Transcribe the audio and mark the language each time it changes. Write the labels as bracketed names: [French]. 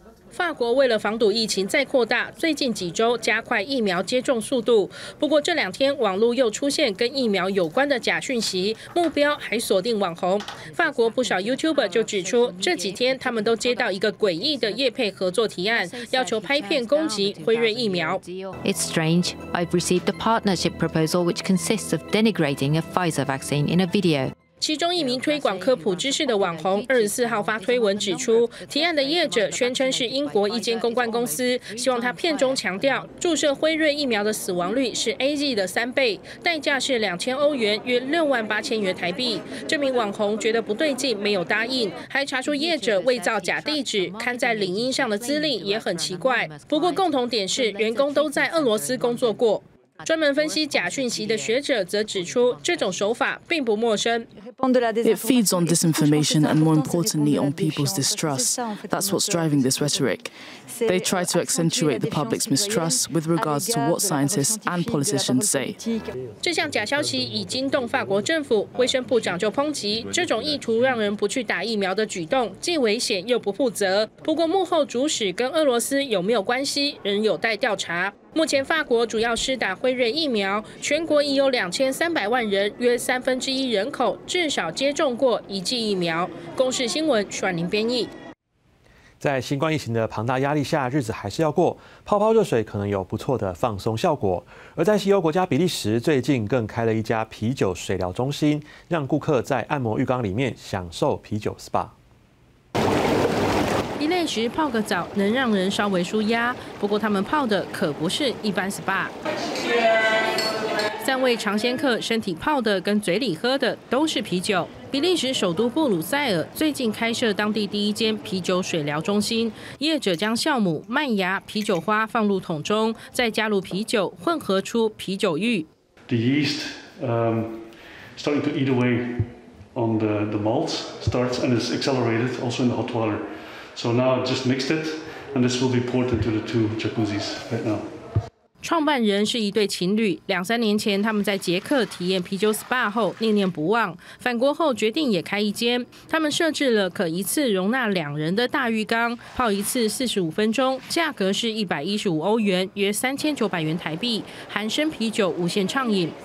[Chinese] 法国为了防堵疫情再扩大，最近几周加快疫苗接种速度。不过这两天网络又出现跟疫苗有关的假讯息，目标还锁定网红。法国不少 YouTuber 就指出，这几天他们都接到一个诡异的业配合作提案，要求拍片攻击辉瑞疫苗。 [English] It's strange. I've received a partnership proposal which consists of denigrating a Pfizer vaccine in a video. [Chinese] 其中一名推广科普知识的网红24号发推文指出，提案的业者宣称是英国一间公关公司，希望他片中强调注射辉瑞疫苗的死亡率是 AZ 的3倍，代价是2000欧元，约68000元台币。这名网红觉得不对劲，没有答应，还查出业者伪造假地址，刊在领英上的资历也很奇怪。不过共同点是员工都在俄罗斯工作过。专门分析假讯息的学者则指出，这种手法并不陌生。 [English] It feeds on disinformation and more importantly on people's distrust. That's what's driving this rhetoric. They try to accentuate the public's mistrust with regards to what scientists and politicians say. [Chinese] 这项假消息已惊动法国政府，卫生部长就抨击这种意图让人不去打疫苗的举动既危险又不负责。不过幕后主使跟俄罗斯有没有关系，仍有待调查。目前法国主要施打辉瑞疫苗，全国已有2300万人，约1/3人口至少接种过一剂疫苗。公视新闻许婉玲编译。在新冠疫情的庞大压力下，日子还是要过，泡泡热水可能有不错的放松效果。而在西欧国家比利时，最近更开了一家啤酒水疗中心，让顾客在按摩浴缸里面享受啤酒 SPA。一类时泡个澡能让人稍微舒压，不过他们泡的可不是一般 SPA。三位尝鲜客身体泡的跟嘴里喝的都是啤酒。比利时首都布鲁塞尔最近开设当地第一间啤酒水疗中心，业者将酵母、麦芽、啤酒花放入桶中，再加入啤酒，混合出啤酒浴。 [English] The yeast starting to eat away on the malts starts and is accelerated also in the hot water. So now I just mixed it, and this will be poured into the two jacuzzis right now. [Chinese] 创办人是一对情侣，2-3年前他们在捷克体验啤酒 SPA 后念念不忘，返国后决定也开一间。他们设置了可一次容纳2人的大浴缸，泡一次45分钟，价格是115欧元，约3900元台币，含深啤酒无限畅饮。